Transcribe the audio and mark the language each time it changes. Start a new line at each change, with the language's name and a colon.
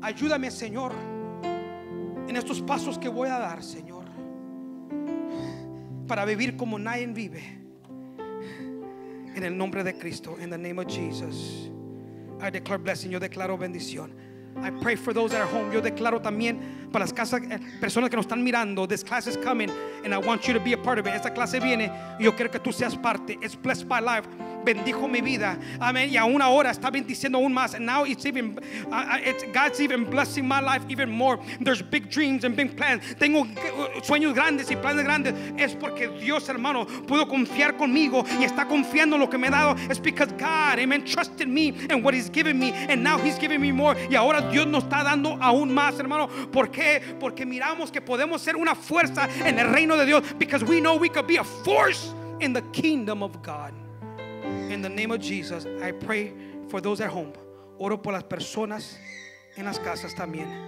Spanish: Ayúdame, Señor, en estos pasos que voy a dar, Señor, para vivir como nadie vive. En el nombre de Cristo,
English: in the name of Jesus, I declare blessing.
Spanish: Yo declaro bendición.
English: I pray for those that are home.
Spanish: Yo declaro también para las casas, personas que nos están mirando.
English: This class is coming and I want you to be a part of it.
Spanish: Esta clase viene y yo quiero que tú seas parte.
English: It's blessed my life.
Spanish: Bendijo mi vida.
English: Amen.
Spanish: Y aún ahora está bendiciendo aún más.
English: And now it's even God's even blessing my life even more. There's big dreams and big plans.
Spanish: Tengo sueños grandes y planes grandes. Es porque Dios, hermano, pudo confiar conmigo y está confiando en lo que me ha dado.
English: It's because God, amen, trusted me and what he's given me. And now he's giving me more.
Spanish: Y ahora Dios nos está dando aún más, hermano. ¿Por qué? Porque miramos que podemos ser una fuerza en el reino de Dios.
English: Because we know we could be a force in the kingdom of God. In the name of Jesus, I pray for those at home.
Spanish: Oro por las personas en las casas también.